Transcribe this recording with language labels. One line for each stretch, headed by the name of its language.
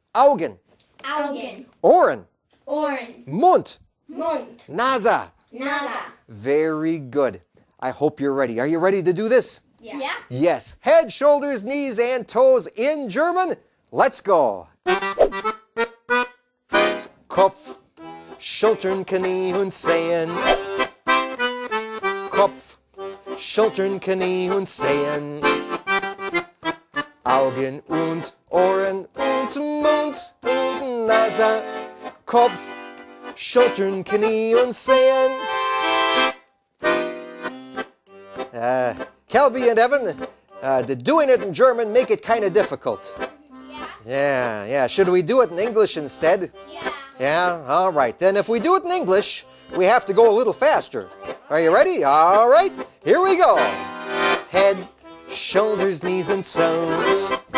German: Augen. Augen. Ohren. Ohren. Mund. Mund. Nase. Nase.
English: Very good. I hope you're ready. Are you ready to do this? Yeah. Yes. Head, shoulders, knees, and toes in German. Let's go.
German: Kopf, Schultern, Knie, und Zehen. Kopf, Schultern, Knie und Zehen. Augen und Ohren und Mund und Nase. Kopf, Schultern, Knie und Zehen.
English: Kelby and Evan, did doing it in German make it kind of difficult? Yeah. Yeah. Should we do it in English instead? Yeah. Yeah? All right. Then if we do it in English, we have to go a little faster. Are you ready? All right, here we go. Head, shoulders, knees, and toes.